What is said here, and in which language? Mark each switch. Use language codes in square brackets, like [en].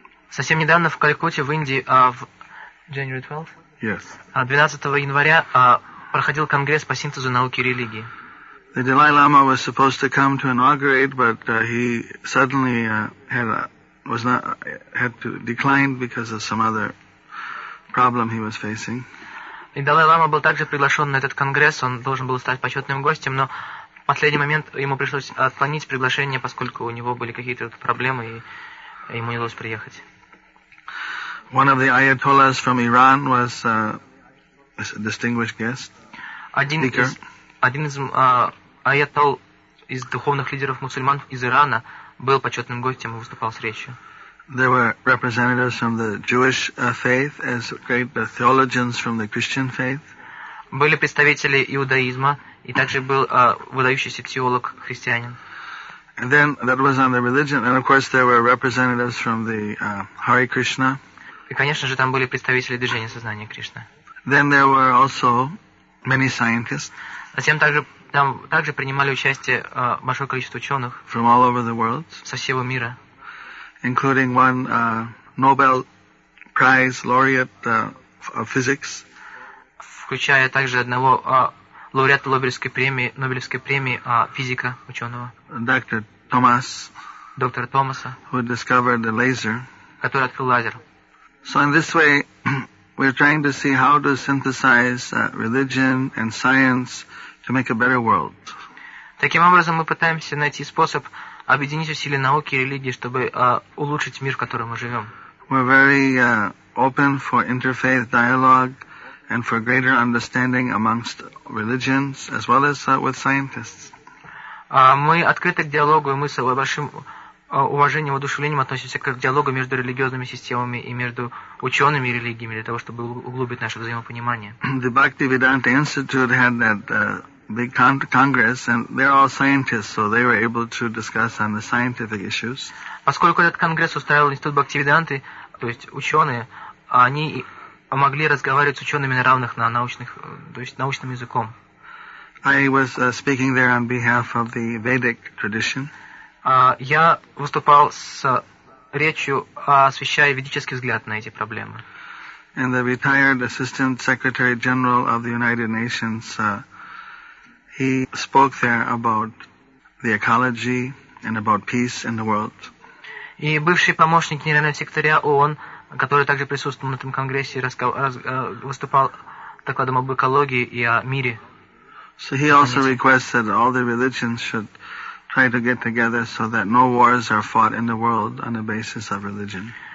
[ru] Совсем недавно в Калькутте в Индии в [en] January 12th? Yes. [ru] 12 января проходил конгресс по синтезу науки и религии. [en] The Dalai Lama was supposed to come to inaugurate, but he suddenly had to decline because of some other problem he was facing. [ru] И Далай Лама был также приглашен на этот конгресс, он должен был стать почетным гостем, но в последний момент ему пришлось отклонить приглашение, поскольку у него были какие-то проблемы, и ему не удалось приехать. [en] One of the ayatollahs from Iran was a distinguished guest. [ru] Один из аятолл из духовных лидеров мусульман из Ирана был почетным гостем и выступал с речью. [en] There were representatives from the Jewish faith as great theologians from the Christian faith. [ru] Были представители иудаизма и также был выдающийся теолог христианин. [en] And then that was on the religion, and of course there were representatives from the Hare Krishna. [ru] И конечно же там были представители движения сознания Кришны. [en] Then there were also many scientists. [ru] Затем также там также принимали участие большое количество ученых [en] from all over the world. [ru] Со всего мира. [en] Including one Nobel Prize laureate of physics. [ru] Включая также одного лауреата Нобелевской премии физика ученого. Доктор Томас. Доктор Томаса. [en] Who discovered the laser. [ru] Который открыл лазер. [en] So in this way, we're trying to see how to synthesize religion and science to make a better world. [ru] Таким образом, мы пытаемся найти способ объединить усилия науки и религии, чтобы улучшить мир, в котором мы живем. [en] We're very open for interfaith dialogue and for greater understanding amongst religions as well as with scientists. [ru] Мы открыты к диалогу, и мы с большим уважением и воодушевлением относимся к диалогу между религиозными системами и между учеными и религиями для того, чтобы углубить наше взаимопонимание. [en] The Bhaktivedanta Institute had that big congress, and they're all scientists, so they were able to discuss on the scientific issues. [ru] Поскольку этот конгресс устраивал институт Бхактивиданты, то есть ученые, они могли разговаривать с учеными на равных, на научных, то есть научным языком. [en] I was speaking there on behalf of the Vedic tradition. [ru] Я выступал с речью, освещая ведический взгляд на эти проблемы. [en] And the retired Assistant Secretary General of the United Nations, he spoke there about the ecology and about peace in the world. [ru] И бывший помощник генерального секретаря ООН, который также присутствовал на этом конгрессе, выступал докладом об экологии и о мире. [en] So he also requested all the religions should try to get together so that no wars are fought in the world on the basis of religion.